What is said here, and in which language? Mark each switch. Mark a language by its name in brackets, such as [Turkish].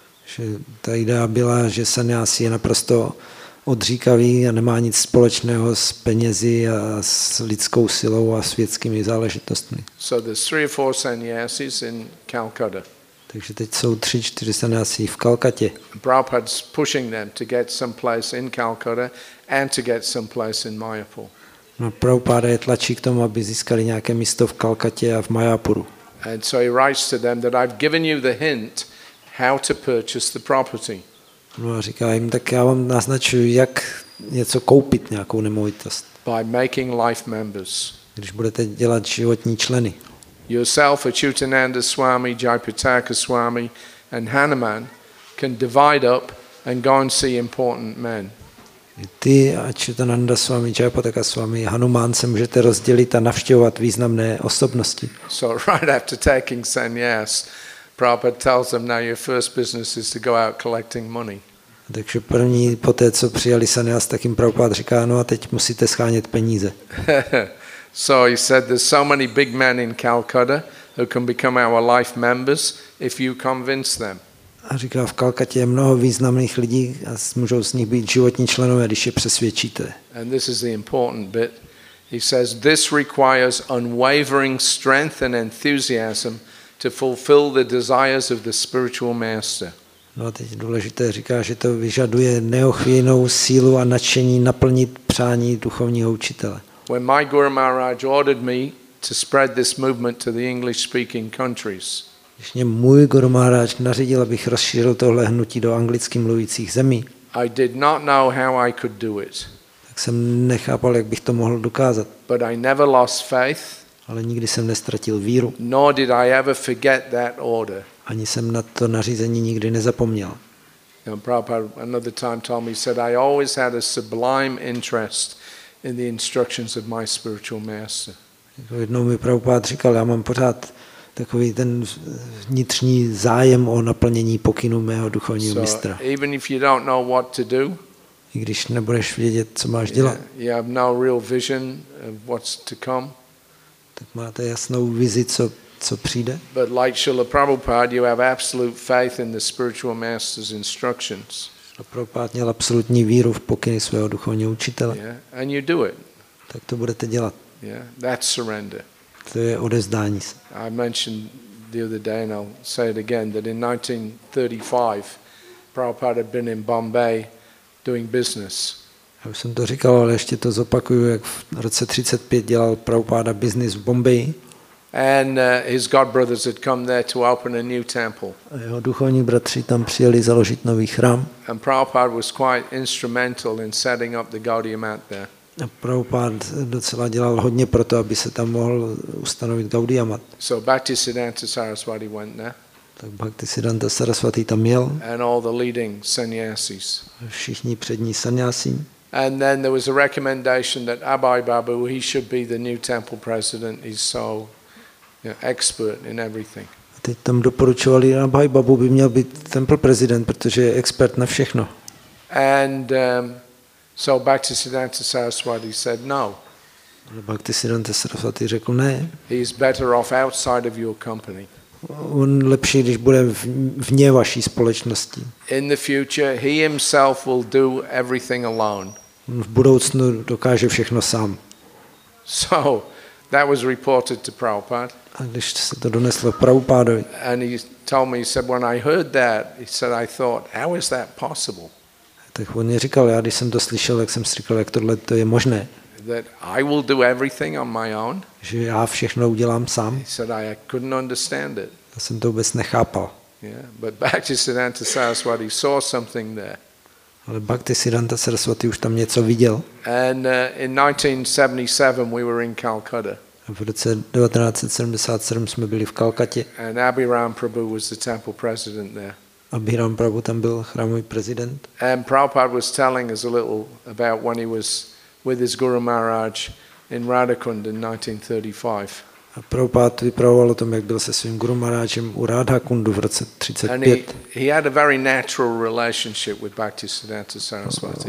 [Czech] Že ta idea byla, že sannyas je naprosto odříkavý a nemá nic společného s penězi a s lidskou silou a světskými záležitostmi. [English] So there's 3 or 4 sannyasis in Calcutta. [Czech] Takže teď jsou 3-4 sannyasi v Kalkatě. [English] Prabhupada's pushing them to get some place in Calcutta and to get some place in Mayapur. [Czech] No, Prabhupada je tlačí k tomu, aby získali nějaké místo v Kalkatě a v Mayapuru. [English] And so he writes to them that I've given you the hint how to purchase the property. [Czech] No a říká jim, tak já vám naznačuji, jak něco koupit, nějakou nemovitost. [English] by making life members. [Czech] Když budete dělat životní členy. [English] Yourself, Achyutananda Swami, Jayapataka Swami, and Hanuman can divide up and go and see important men. [Czech] Ty, Achyutananda Swami, Jayapataka Swami, Hanuman se můžete rozdělit a navštěvovat významné osobnosti. [English] So right after taking sannyas, Prabhupada tells them, now your first business is to go out collecting money. [Czech] Takže první poté, co přijali sannyas, tak jim Prabhupada říká, no a teď musíte schánět peníze. [English] So he said, there's so many big men in Calcutta who can become our life members if you convince them. [Czech] A říká, v Kalkatě je mnoho významných lidí a můžou z nich být životní členové, když je přesvědčíte. [English] And this is the important bit. He says, this requires unwavering strength and enthusiasm to fulfill the desires of the spiritual master. [Czech] No a teď důležité, říká, že to vyžaduje neochvějnou sílu a nadšení naplnit přání duchovního učitele. [English] When my Guru Maharaj ordered me to spread this movement to the English speaking countries. [Czech] Když mě můj Guru Maharaj nařídil, abych rozšířil tohle hnutí do anglicky mluvících zemí. [English] I did not know how I could do it. [Czech] Tak jsem nechápal, jak bych to mohl dokázat. [English] But I never lost faith. [Czech] Ale nikdy jsem nestratil víru. [English] Nor did I ever forget that order. [Czech] Ani jsem na to nařízení nikdy nezapomněl. [English] And Prabhupada another time told me, said I always had a sublime interest in the instructions of my spiritual master. [Czech] Jednou mi Prabhupád říkal, já mám pořád takový ten vnitřní zájem o naplnění pokynů mého duchovního mistra. [English] So even if you don't know what to do, [Czech] i když nebudeš vědět, co máš dělat, [English] you have no real vision of what's to come, [Czech] tak máte jasnou vizi, co přijde. [English] But like Srila Prabhupada, you have absolute faith in the spiritual master's instructions. [Czech] A Prabhupád měl absolutní víru v pokyny svého duchovního učitele. [English] Yeah, and you do it. [Czech] Tak to budete dělat. [English] Yeah, that's surrender. [Czech] To je odevzdání se. [English] I mentioned the other day, and I'll say it again, that in 1935, Prabhupád had been in Bombay doing business. [Czech] Já už jsem to říkal, ale ještě to zopakuju, jak v roce 35 dělal Prabhupáda business v Bombay. [English] And his godbrothers had come there to open a new temple. [Czech] A jeho duchovní bratři tam přijeli založit nový chrám. [English] And Prabhupada was quite instrumental in setting up the Gaudiya Math there. [Czech] A Prabhupada docela dělal hodně pro to, aby se tam mohl ustanovit Gaudiya Math. [English] So Bhaktisiddhanta Saraswati went there. [Czech] Tak Bhaktisiddhanta Saraswati tam jel. [English] And all the leading sannyasis. [Czech] Všichni přední sannyasi. [English] And then there was a recommendation that Abai Babu, he should be the new temple president. He's so expert in everything. [Czech] A teď tam doporučovali, Abhai Babu by měl být temple prezident, protože je expert na všechno. [English] And so Bhaktisiddhanta Saraswati said no. [Czech] Bhaktisiddhanta Saraswati řekl ne. [English] He is better off outside of your company. [Czech] On lepší, když bude vně vaší společnosti. [English] In the future, he himself will do everything alone. [Czech] V budoucnu dokáže všechno sám. [English] So that was reported to Prabhupada. [Czech] A když se to doneslo Prabhupádovi. [English] And he told me, he said, when I heard that, he said, I thought, how is that possible? [Czech] Tak on mi říkal, já když jsem to slyšel, tak jsem si říkal, jak tohle to je možné. [English] That I will do everything on my own. [Czech] Že já všechno udělám sám. [English] He said, I couldn't understand it. [Czech] Já jsem to vůbec nechápal. [English] Yeah, but Bhaktisiddhanta Saraswati saw something there. [Czech] Ale Bhaktisiddhanta Saraswati už tam něco viděl. [English] And in 1977 we were in Calcutta. [Czech] V roce 1977 jsme byli v Kalkatě. [English] And Abhiram Prabhu was the temple president there. [Czech] Abhiram Prabhu tam byl chrámový prezident. [English] And Prabhupada was telling us a little about when he was with his Guru Maharaj in Radhakund in 1935. [Czech] A Prabhupada vyprávěl o tom, jak byl se svým Guru Maharajem u Radhakundu v roce 35. [English] He had a very natural relationship with Bhaktisiddhanta Saraswati.